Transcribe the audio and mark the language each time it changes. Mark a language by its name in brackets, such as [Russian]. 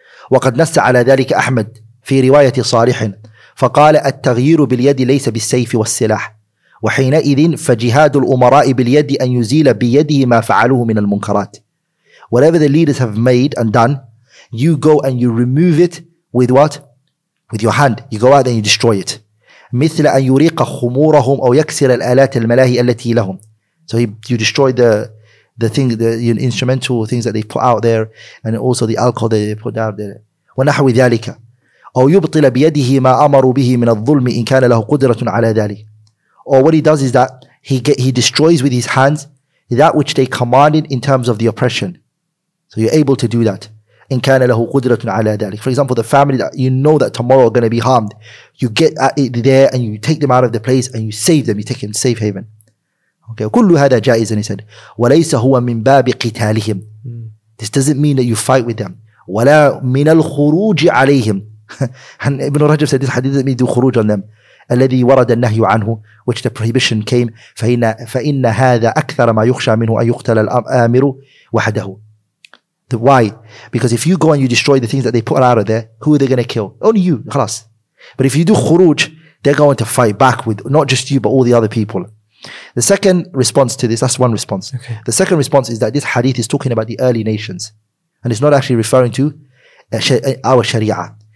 [Arabic] وَقَدْ نَسَّ عَلَى ذَلِكَ أَحْمَدْ فِي رِوَايَةِ صَارِحٍ فَقَالَ التَّغْيِيرُ بِالْيَدِ لَيْسَ بِالسَّيْفِ وَالسِّلَاحِ وحينئذ فجهاد الأمراء باليد أن يزيل بيده ما فعلوه من المنكرات. [English] Whatever the leaders have made and done, you go and you remove it with what? With your hand. You go out and you destroy it. [Arabic] مثل أن يريق خمورهم أو يكسر الآلات الملاهي التي لهم. [English] So you destroy the instrumental things that they put out there, and also the alcohol that they put out there. [Arabic] ونحو ذلك. أو يبطل بيده ما أمروا به من الظلم إن كان له قدرة على ذلك. [English] Or what he does is that he destroys with his hands that which they commanded in terms of the oppression. So you're able to do that. [Arabic] إِنْ كَانَ لَهُ قُدْرَةٌ عَلَى ذَلِكَ. [English] For example, the family that you know that tomorrow are going to be harmed, you get it there and you take them out of the place and you save them, you take them to safe haven. Okay. [Arabic] كُلُّ هَذَا جَائِزًا, [English] he said. [Arabic] وَلَيْسَ هُوَ مِنْ بَابِ قِتَالِهِمْ. [English] This doesn't mean that you fight with them. [Arabic] وَلَا مِنَ الْخُرُوجِ عَلَيْهِمْ. [English] And Ibn Rajab said this hadith doesn't mean do khuruj on them. [Arabic] الذي ورد النهي عنه, [English] which the prohibition came, [Arabic] فإن هذا أكثر ما يخشى منه أن يقتل الآمر وحده. [English] Why? Because if you go and you destroy the things that they put out of there, who are they going to kill? Only you, خلاص. But if you do خروج, they're going to fight back with not just you, but all the other people. The second response to this, that's one response. Okay. The second response is that this hadith is talking about the early nations. And it's not actually referring to our Sharia.